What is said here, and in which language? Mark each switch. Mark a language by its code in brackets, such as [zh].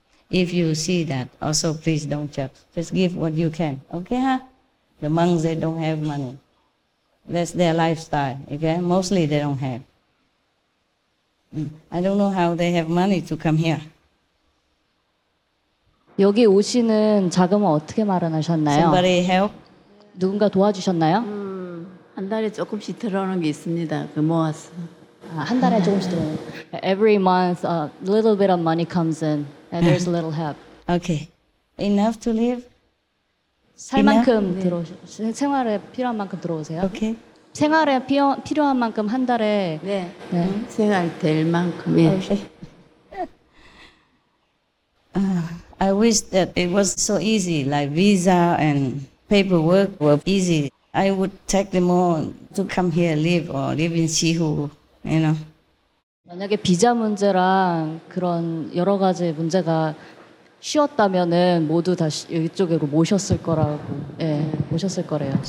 [en] If you see that, also please don't judge. Just give what you can. Okay, huh? The monks, they don't have money. That's their lifestyle, okay? Mostly they don't have. I don't know how they have money to come here. [ko] 여기 오시는 자금은 어떻게 마련하셨나요? [en] Somebody help? [ko] 누군가 도와주셨나요? 한 달에 조금씩 들어오는 게 있습니다. 그 모아서. 한 달에 조금씩 들어오는. [en] Every month, a little bit of money comes in, and there's a little help. Okay. Enough to live? [ko] 살 만큼 들어오세요. 생활에 필요한 만큼 들어오세요. [en] Okay. [ko] 생활에 필요한 만큼 한 달에. 네. 네. 생활 될 만큼. 예. [en] Okay. I wish that it was so easy, like visa and paperwork were easy. I would take them all to come here live or live in Sihu, you know. [ko] 만약에 비자 문제랑 그런 여러 가지 문제가 쉬웠다면은 모두 다시 이쪽으로 모셨을 거라고, 예, 모셨을 거래요.